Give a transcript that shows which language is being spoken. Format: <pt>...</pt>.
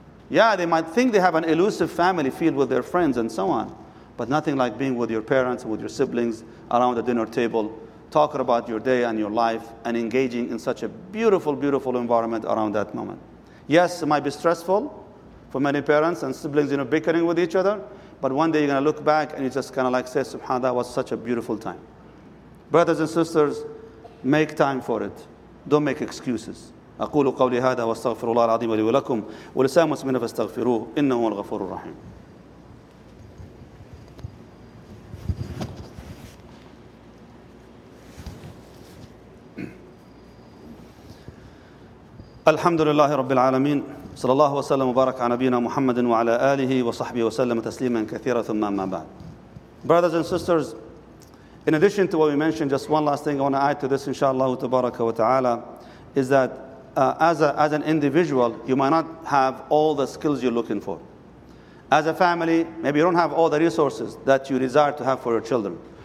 <en>Yeah, they might think they have an elusive family filled with their friends and so on, but nothing like being with your parents, with your siblings around the dinner table, talking about your day and your life, and engaging in such a beautiful, beautiful environment around that moment. Yes, it might be stressful for many parents and siblings, you know, bickering with each other, but one day you're going to look back and you just kind of like say, subhanAllah, that was such a beautiful time. Brothers and sisters, make time for it. Don't make excuses.</en> <ar>أقول قولي هذا واستغفر الله العظيم لي ولكم ولسائر المسلمين فاستغفروه إنه هو الغفور الرحيم. الحمد لله رب العالمين صلى الله وسلم وبارك على نبينا محمد وعلى آله وصحبه وسلم تسليما كثيرا ثم ما بعد.</ar> <en>Brothers and sisters, in addition to what we mentioned, just one last thing I want to add to this, inshallah</en> <ar>تبارك وتعالى,</ar> <en>is that as an individual, you might not have all the skills you're looking for. As a family, maybe you don't have all the resources that you desire to have for your children.</en>